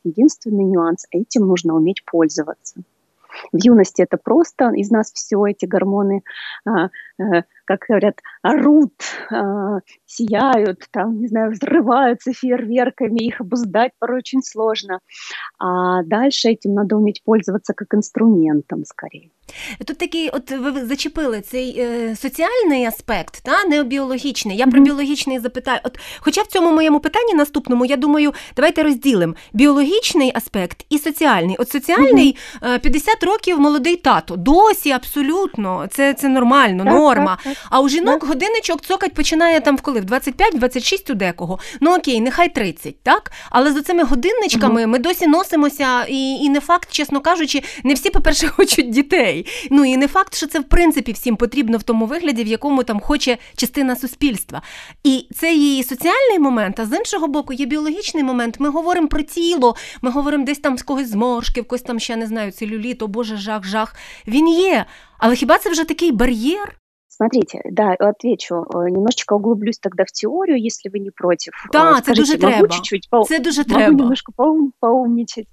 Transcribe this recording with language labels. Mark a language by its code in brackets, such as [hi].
[ru] Единственный нюанс – этим нужно уметь пользоваться. В юности это просто, из нас все эти гормоны, как говорят, орут, сияют, там, не знаю, взрываются фейерверками, их обуздать порой очень сложно. А дальше этим надо уметь пользоваться как инструментом скорее. [uk] Тут такий, от ви зачепили цей соціальний аспект, та не біологічний. Я про біологічний запитаю. От, хоча в цьому моєму питанні наступному, я думаю, давайте розділимо біологічний аспект і соціальний. От соціальний 50 років молодий тато. Досі абсолютно, це нормально, так, норма. Так, так. А у жінок так. Годиночок цокать починає там в коли? В 25-26 у декого. Ну окей, нехай 30, так? Але за цими годинничками ми досі носимося, і не факт, чесно кажучи, не всі, по-перше, хочуть дітей. Ну і не факт, що це в принципі всім потрібно в тому вигляді, в якому там хоче частина суспільства. І це є і соціальний момент, а з іншого боку є біологічний момент. Ми говоримо про тіло, ми говоримо десь там з когось зморшки, в когось там ще, не знаю, целлюліт, о боже, жах-жах. Він є, але хіба це вже такий бар'єр? [ru] Смотрите, да, отвечу, немножечко углублюсь тогда в теорию, если вы не против. Да, скажите, это дуже могу [uk] треба. [ru] Чуть-чуть поум... [uk] Це дуже треба. [ru] Могу немножко поумничать.